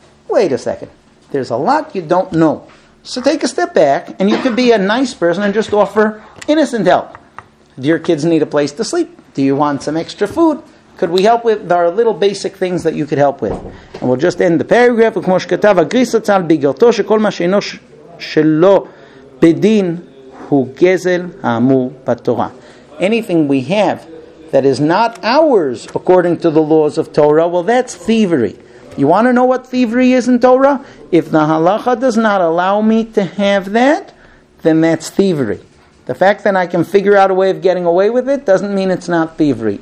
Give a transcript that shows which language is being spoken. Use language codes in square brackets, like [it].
[en] Wait a second, there's a lot you don't know. So take a step back and you can be a nice person and just offer innocent help. Do your kids need a place to sleep? Do you want some extra food? Could we help with, there are little basic things that you could help with. And we'll just end the paragraph. [he] וכמו שכתב הגריס הצהל בגרתו שכל מה שאינו שלו בדין הוא גזל האמור בתורה. [en] Anything we have that is not ours according to the laws of Torah, well, that's thievery. You want to know what thievery is in Torah? If the halacha does not allow me to have that, then that's thievery. The fact that I can figure out a way of getting away with it doesn't mean it's not thievery.